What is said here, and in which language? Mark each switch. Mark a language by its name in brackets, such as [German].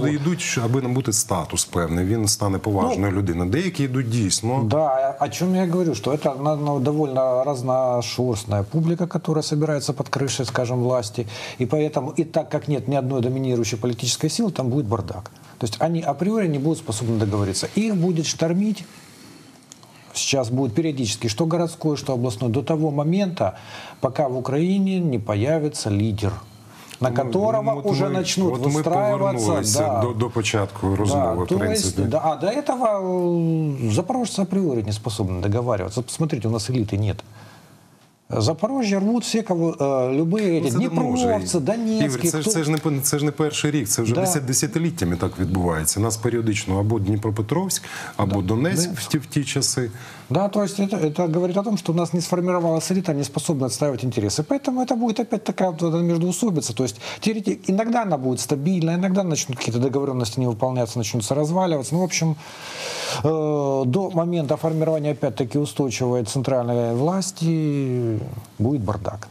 [Ukrainian] Деякі туди йдуть, щоб набути статус певний, він стане поважною людиною. Деякі йдуть дійсно. [Russian] Да, о чем я говорю, что это довольно разношерстная публика, которая собирается под крышей, скажем, власти, и поэтому, и так как нет ни одной доминирующей политической силы, там будет бардак. То есть они априори не будут способны договориться. Их будет штормить, сейчас будет периодически, что городской, что областной, до того момента, пока в Украине не появится лидер, на которого уже начнут выстраиваться. Вот мы [Ukrainian] повернулися до початку розмови, в принципі. [Russian] Да, а до этого запорожцы априори не способны договариваться. Посмотрите, у нас элиты нет. [Ukrainian] Запорожжя рвуть всі, кого, [Russian] любые эти, [Ukrainian] Дніпровці, Донецькі. Ігор, це ж не перший рік, це вже десятиліттями так відбувається. Нас періодично або Дніпропетровськ, або Донецьк в ті часи. [Russian] Да, то есть это говорит о том, что у нас не сформировалась элита, не способна отстаивать интересы. Поэтому это будет опять такая вот междоусобица. То есть теоретически иногда она будет стабильна, иногда начнут какие-то договоренности не выполняться, начнутся разваливаться. Ну, в общем, до момента формирования опять-таки устойчивой центральной власти будет бардак.